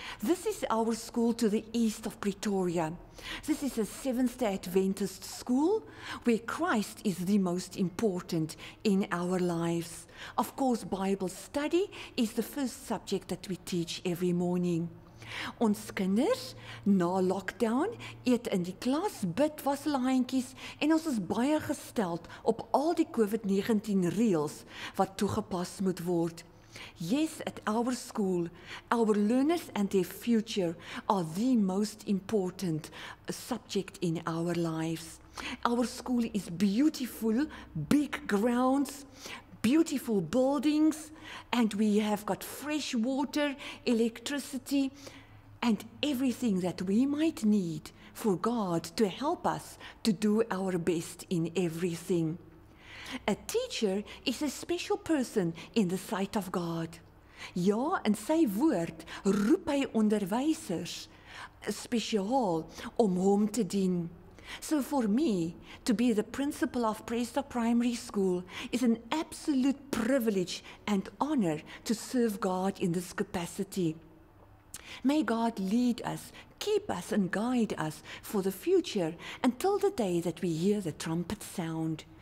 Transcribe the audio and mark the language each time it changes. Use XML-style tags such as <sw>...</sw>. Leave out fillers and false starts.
<en>This is our school to the east of Pretoria. This is a Seventh-day Adventist school where Christ is the most important in our lives. Of course, Bible study is the first subject that we teach every morning.</en> <af>Ons kinders, na lockdown, eet in die klas, bid waslaantjies en ons is baie gesteld op al die COVID-19 reëls wat toegepas moet word.</af> <en>Yes, at our school, our learners and their future are the most important subject in our lives. Our school is beautiful, big grounds, beautiful buildings, and we have got fresh water, electricity, and everything that we might need for God to help us to do our best in everything. A teacher is a special person in the sight of God.</en> <af>Ja, in sy woord roep hy onderwysers spesiaal om hom te dien.</af> <en>So for me, to be the principal of Presta Primary School is an absolute privilege and honor to serve God in this capacity. May God lead us, keep us and guide us for the future until the day that we hear the trumpet sound.</en>